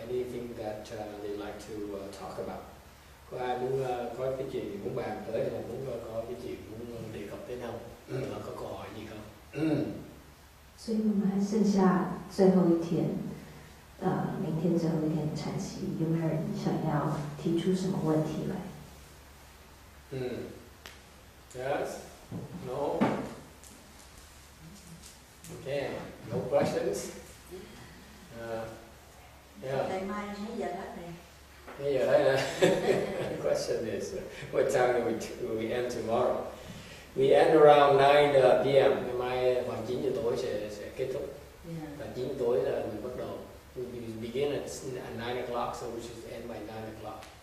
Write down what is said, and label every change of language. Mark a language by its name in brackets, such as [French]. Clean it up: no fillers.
[English] Anything that they'd like to talk about? [Vietnamese] Có ai muốn có cái chuyện muốn bàn tới hay là muốn có cái chuyện muốn đề cập tới nào? Có câu hỏi gì không? [Chinese] 所以我们还剩下最后一天，明天最后一天禅习，有没有人想要提出什么问题来？ [English] Yes. No. Okay. No questions. Yeah. [Chinese] 等一下，没有了。没有了。 [English] Question is, what time do we end tomorrow? We end around 9 p.m. [Vietnamese] Ngày mai khoảng 9 giờ tối sẽ kết thúc. Và 9 giờ tối là mình bắt đầu. [English] We begin at 9 o'clock, so we should end by 9 o'clock.